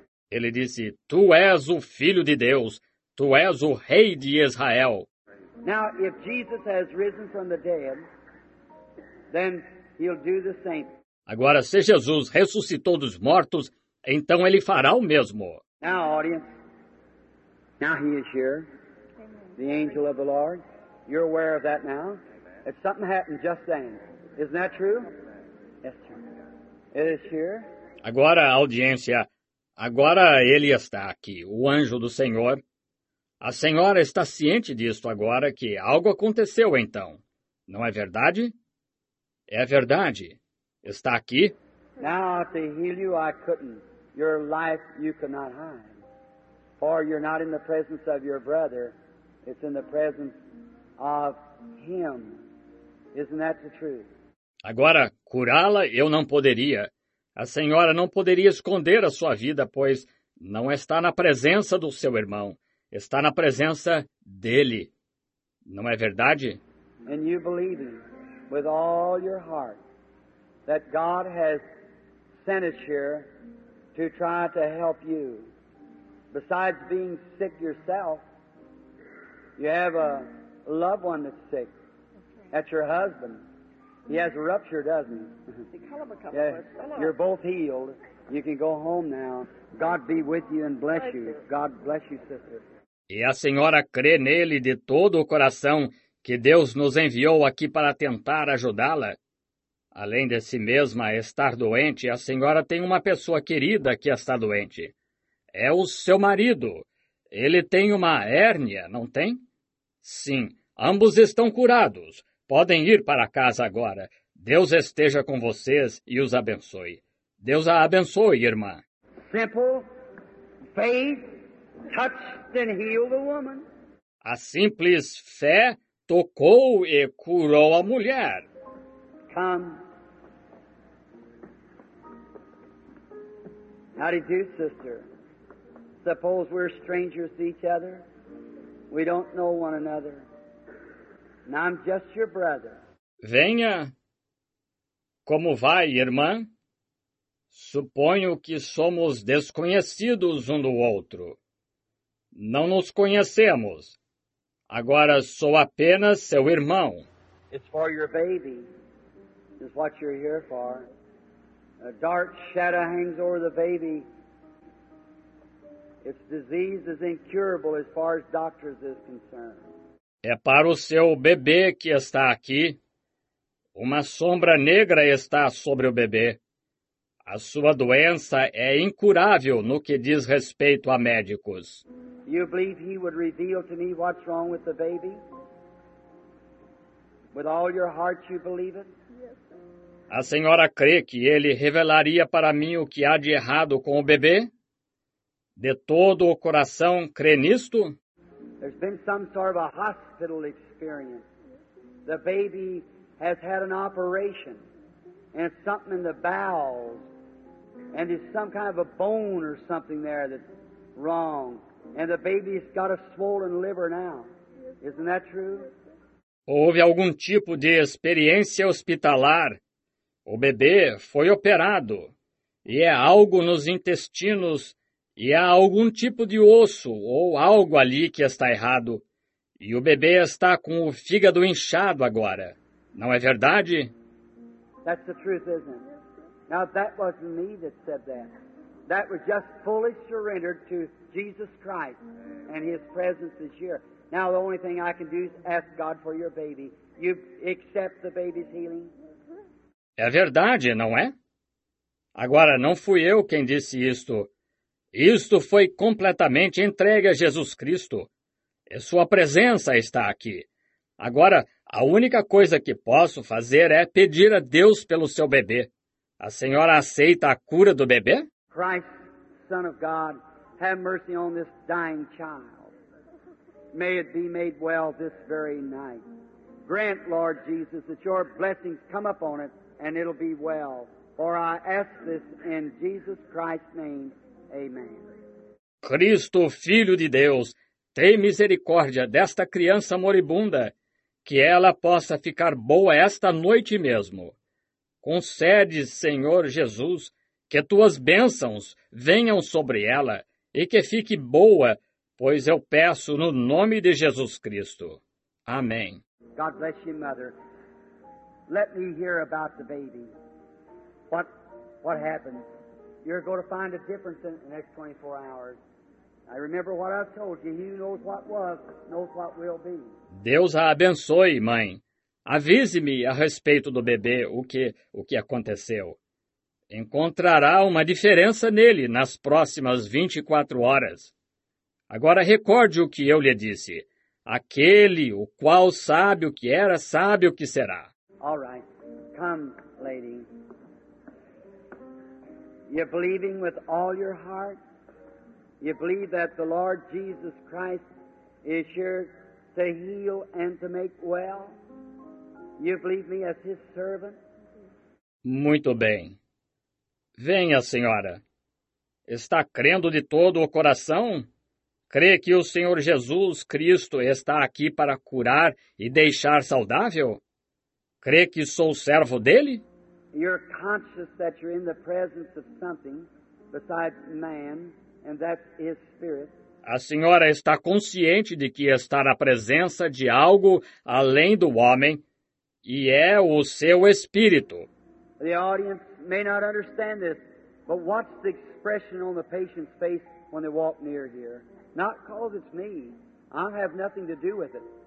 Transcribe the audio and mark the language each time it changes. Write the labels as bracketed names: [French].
[Portuguese] Ele disse, "Tu és o Filho de Deus, tu és o Rei de Israel." [English] Now, if Jesus has risen from the dead, then he'll do the same. [Portuguese] Agora, se Jesus ressuscitou dos mortos, então ele fará o mesmo. [English] Now, audience, now he is here, the angel of the Lord. You're aware of that now. If something happened just then, isn't that true? Yes, sir. It is here. [Portuguese] Agora, audiência, agora ele está aqui, o anjo do Senhor. A senhora está ciente disto agora que algo aconteceu então. Não é verdade? É verdade. Está aqui? [English] Now to heal you, I couldn't. Your life you cannot hide. For you're not in the presence of your brother. It's in the presence of him. Isn't that the truth? [Portuguese] Agora, curá-la eu não poderia. A senhora não poderia esconder a sua vida, pois não está na presença do seu irmão. Está na presença dele. Não é verdade? [English] And you believe him with all your heart. That God has sent us here to try to help you. Besides being sick yourself, you have a loved one that's sick. That's your husband. He has a rupture, doesn't he? Yeah, you're both healed. You can go home now. God be with you and bless you. God bless you, sister. [Portuguese] E a senhora crê nele de todo o coração que Deus nos enviou aqui para tentar ajudá-la? Além de si mesma estar doente, a senhora tem uma pessoa querida que está doente. É o seu marido. Ele tem uma hérnia, não tem? Sim, ambos estão curados. Podem ir para casa agora. Deus esteja com vocês e os abençoe. Deus a abençoe, irmã. [English] Simple faith touched and healed the woman. [Portuguese] A simples fé tocou e curou a mulher. [English] Come. How do you do, sister? Suppose we're strangers to each other. We don't know one another. And I'm just your brother. [Portuguese] Venha. Como vai, irmã? Suponho que somos desconhecidos um do outro. Não nos conhecemos. Agora sou apenas seu irmão. [English] It's for your baby. It's what you're here for. A dark shadow hangs over the baby. Its disease is incurable as far as doctors is concerned. [Portuguese] É para o seu bebê que está aqui. Uma sombra negra está sobre o bebê. A sua doença é incurável no que diz respeito a médicos. [English] You believe he would reveal to me what's wrong with the baby? With all your heart you believe it? [Portuguese] A senhora crê que ele revelaria para mim o que há de errado com o bebê? De todo o coração, crê nisto? [English] There's been some sort of a hospital experience. The baby has had an operation and something in the bowels, and there's some kind of a bone or something there that's wrong, and the baby's got a swollen liver now. Isn't that true? [Portuguese] Houve algum tipo de experiência hospitalar. O bebê foi operado e é algo nos intestinos e há algum tipo de osso ou algo ali que está errado. E o bebê está com o fígado inchado agora. Não é verdade? [English] That's the truth, isn't it? Now, that wasn't me that said that. That was just fully surrendered to Jesus Christ and His presence is here. Now, the only thing I can do is ask God for your baby. You accept the baby's healing? [Portuguese] É verdade, não é? Agora, não fui eu quem disse isto. Isto foi completamente entregue a Jesus Cristo. E sua presença está aqui. Agora, a única coisa que posso fazer é pedir a Deus pelo seu bebê. A senhora aceita a cura do bebê? [English] Christ, Son of God, have mercy on this dying child. May it be made well this very night. Grant, Lord Jesus, that your blessings come upon it and it'll be well. For I ask this in Jesus Christ's name. Amen. [Portuguese] Cristo, Filho de Deus, tem misericórdia desta criança moribunda, que ela possa ficar boa esta noite mesmo. Concede, Senhor Jesus, que tuas bênçãos venham sobre ela e que fique boa, pois eu peço no nome de Jesus Cristo. Amém. [English] God bless you, Mother. Let me hear about the baby. What happens? You're going to find a difference in the next 24 hours. I remember what I've told you. He who knows what was, knows what will be. [Portuguese] Deus a abençoe, mãe. Avise-me a respeito do bebê o que aconteceu. Encontrará uma diferença nele nas próximas 24 horas. Agora recorde o que eu lhe disse. Aquele o qual sabe o que era, sabe o que será. [English] All right. Come, lady. You're believing with all your heart? You believe that the Lord Jesus Christ is here to heal and to make well? You believe me as His servant? [Portuguese] Muito bem. Venha, senhora. Está crendo de todo o coração? Crê que o Senhor Jesus Cristo está aqui para curar e deixar saudável? Crê que sou servo dEle? [English] You're conscious that you're in the presence of something besides man, and that's His Spirit. [Portuguese] A senhora está consciente de que está na presença de algo além do homem, e é o seu Espírito. [English] The audience may not understand this, but watch the expression on the patient's face when they walk near here. Not because it's me. I have nothing to do with it.